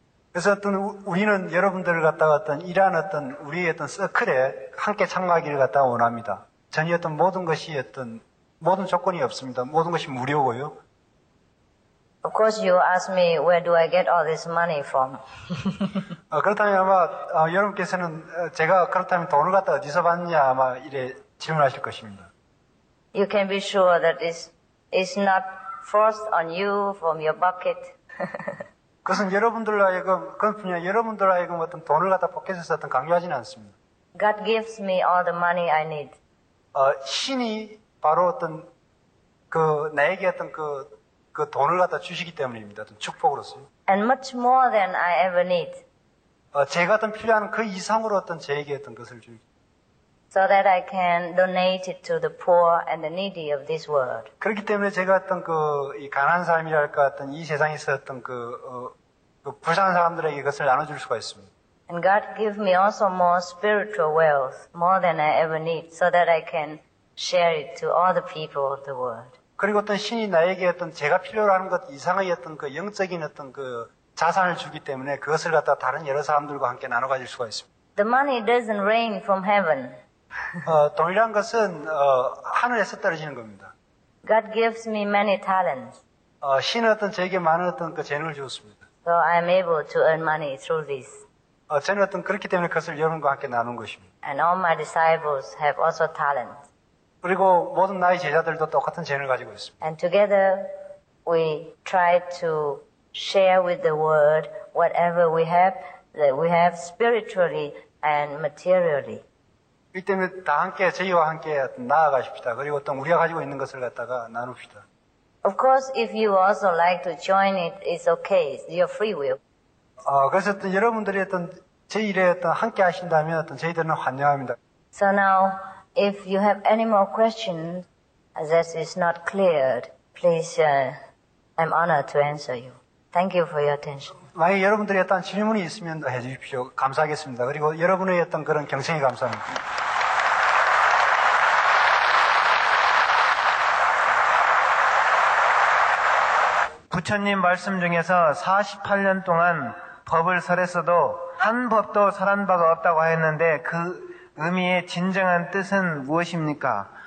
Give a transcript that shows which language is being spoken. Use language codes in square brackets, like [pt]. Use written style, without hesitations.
[ko] 그래서 어떤 우리는 여러분들을 갖다가 어떤 이러한 어떤 우리의 어떤 서클에 함께 참가하기를 갖다가 원합니다. 전혀 어떤 모든 것이 어떤 모든 조건이 없습니다. 모든 것이 무료고요. [en] Of course, you ask me, where do I get all this money from? [ko] 그렇다면 아마 여러분께서는 제가 그렇다면 돈을 갖다 어디서 받느냐 아마 이래 질문하실 것입니다. [en] You can be sure that it's not forced on you from your pocket. [ko] 그것은 여러분들로 하여금, 그건 분명 여러분들로 하여금 어떤 돈을 갖다 포켓에서 어떤 강요하지는 않습니다. [en] God gives me all the money I need. [ko] 신이 바로 어떤 그 나에게 어떤 그 돈을 갖다 주시기 때문입니다. 어떤 축복으로서. [en] And much more than I ever need. [ko] 제가 어떤 필요한 그 이상으로 어떤 제에게 어떤 것을 주기. [en] So that I can donate it to the poor and the needy of this world. [ko] 그렇기 때문에 제가 어떤 그 이 가난한 사람이랄까 어떤 이 세상에서 어떤 그 불쌍한 사람들에게 이것을 나눠줄 수가 있습니다. [en] And God give me also more spiritual wealth, more than I ever need, so that I can share it to all the people of the world. [ko] 그리고 어떤 신이 나에게 어떤 제가 필요로 하는 것 이상의 어떤 그 영적인 어떤 그 자산을 주기 때문에 그것을 갖다 다른 여러 사람들과 함께 나눠 가질 수가 있습니다. [en] The money doesn't rain from heaven. [ko] 돈이란 것은 하늘에서 떨어지는 겁니다. [en] God gives me many talents. [ko] 신은 어떤 제게 많은 어떤 그 재능을 주었습니다. [en] So I'm able to earn money through this. [ko] 저는 어떤 그렇기 때문에 그것을 여러분과 함께 나눈 것입니다. [en] And all my disciples have also talents. [ko] 그리고 모든 나의 제자들도 똑같은 재능을 가지고 있습니다. [en] And together we try to share with the world whatever we have, that we have spiritually and materially. [ko] 이 때문에 다 함께 저희와 함께 나아가십시다. 그리고 또 우리가 가지고 있는 것을 갖다가 나눕시다. [en] Of course, if you also like to join it, it's okay. It's your free will. [ko] 그래서 또 여러분들이 어떤 제 일에 어떤 함께 하신다면 어떤 저희들은 환영합니다. [en] So now, if you have any more questions, that is not cleared, please, I'm honored to answer you. Thank you for your attention. [ko] 만약 여러분들이 어떤 질문이 있으면 해주십시오. 감사하겠습니다. 그리고 여러분의 어떤 그런 경청에 감사합니다. "부처님 말씀 중에서 48년 동안 법을 설했어도 한 법도 설한 바가 없다고 하였는데 그 의미의 진정한 뜻은 무엇입니까?"